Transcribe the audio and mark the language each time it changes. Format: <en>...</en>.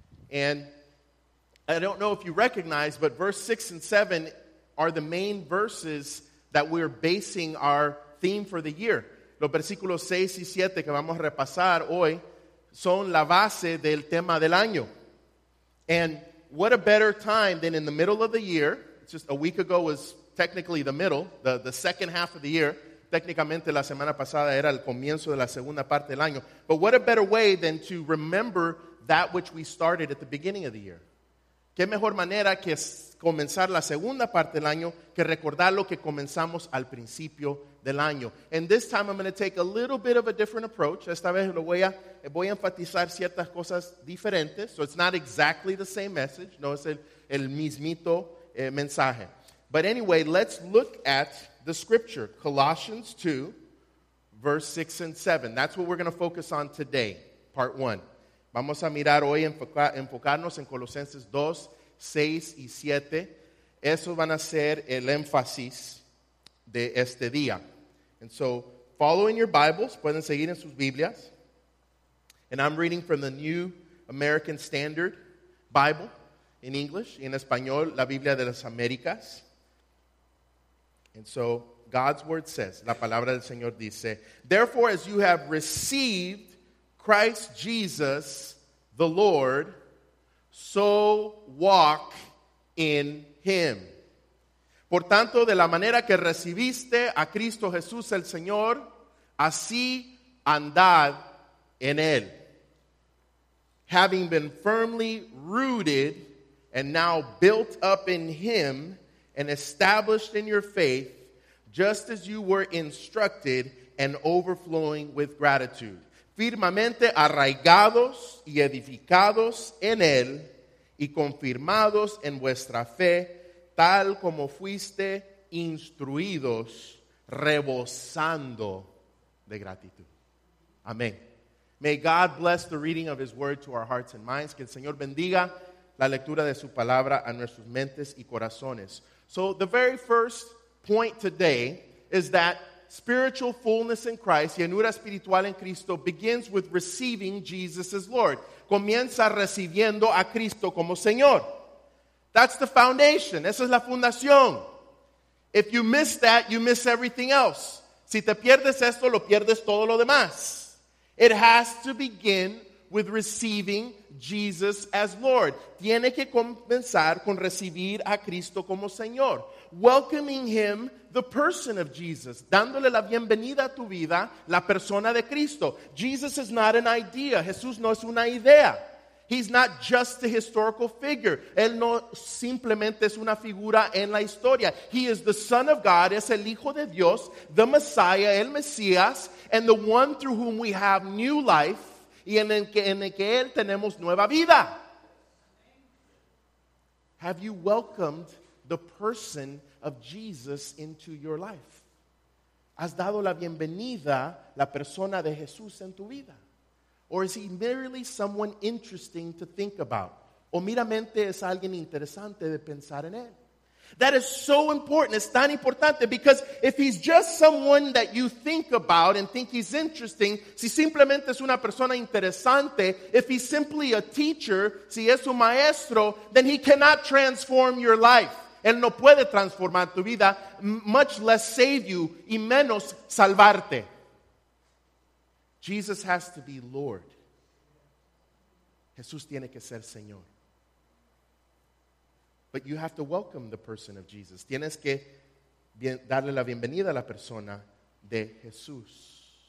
<en>And I don't know if you recognize, but verse 6 and 7 are the main verses that we're basing our theme for the year.</en> <es>Los versículos 6 y 7 que vamos a repasar hoy son la base del tema del año.</es> <en>And what a better time than in the middle of the year. It's just a week ago was technically the middle, the second half of the year.</en> <es>Técnicamente la semana pasada era el comienzo de la segunda parte del año.</es> <en>But what a better way than to remember that which we started at the beginning of the year.</en> <es>¿Qué mejor manera que comenzar la segunda parte del año que recordar lo que comenzamos al principio del año?</es> <en>And this time I'm going to take a little bit of a different approach.</en> <es>Esta vez lo voy a enfatizar ciertas cosas diferentes.</es> <en>So it's not exactly the same message.</en> <es>No es el mismito mensaje.</es> <en>But anyway, let's look at the scripture, Colossians 2, verse 6 and 7. That's what we're going to focus on today, part 1.</en> <es>Vamos a mirar hoy, enfocarnos en Colosenses 2, 6 y 7. Esos van a ser el énfasis de este día.</es> <en>And so, follow in your Bibles.</en> <es>Pueden seguir en sus Biblias.</es> <en>And I'm reading from the New American Standard Bible in English.</en> <es>En español, la Biblia de las Américas.</es> <en>And so, God's Word says,</en> <es>la palabra del Señor dice,</es> <en>therefore, as you have received Christ Jesus, the Lord, so walk in Him.</en> <es>Por tanto, de la manera que recibiste a Cristo Jesús el Señor, así andad en Él.</es> <en>Having been firmly rooted and now built up in Him and established in your faith, just as you were instructed and overflowing with gratitude.</en> <es>Firmemente arraigados y edificados en él y confirmados en vuestra fe, tal como fuiste instruidos, rebosando de gratitud. Amén.</es> <en>May God bless the reading of His word to our hearts and minds.</en> <es>Que el Señor bendiga la lectura de su palabra a nuestras mentes y corazones.</es> <en>So the very first point today is that spiritual fullness in Christ,</en> <es>llenura espiritual en Cristo,</es> <en>begins with receiving Jesus as Lord.</en> <es>Comienza recibiendo a Cristo como Señor.</es> <en>That's the foundation.</en> <es>Esa es la fundación.</es> <en>If you miss that, you miss everything else.</en> <es>Si te pierdes esto, lo pierdes todo lo demás.</es> <en>It has to begin with receiving Jesus as Lord.</en> <es>Tiene que comenzar con recibir a Cristo como Señor.</es> <en>Welcoming Him, the person of Jesus.</en> <es>Dándole la bienvenida a tu vida, la persona de Cristo.</es> <en>Jesus is not an idea.</en> <es>Jesús no es una idea.</es> <en>He's not just a historical figure.</en> <es>Él no simplemente es una figura en la historia.</es> <en>He is the Son of God,</en> <es>es el Hijo de Dios,</es> <en>the Messiah,</en> <es>el Mesías,</es> <en>and the one through whom we have new life,</en> <es>y en el que Él tenemos nueva vida.</es> <en>Have you welcomed the person of Jesus into your life?</en> <es>¿Has dado la bienvenida la persona de Jesús en tu vida?</es> <en>Or is he merely someone interesting to think about?</en> <es>¿O meramente es alguien interesante de pensar en él?</es> <en>That is so important.</en> <es>Es tan importante</es> <en>because if he's just someone that you think about and think he's interesting,</en> <es>si simplemente es una persona interesante,</es> <en>if he's simply a teacher,</en> <es>si es un maestro,</es> <en>then he cannot transform your life.</en> <es>Él no puede transformar tu vida,</es> <en>much less save you,</en> <es>y menos salvarte.</es> <en>Jesus has to be Lord.</en> <es>Jesús tiene que ser Señor.</es> <en>But you have to welcome the person of Jesus.</en> <es>Tienes que darle la bienvenida a la persona de Jesús.</es>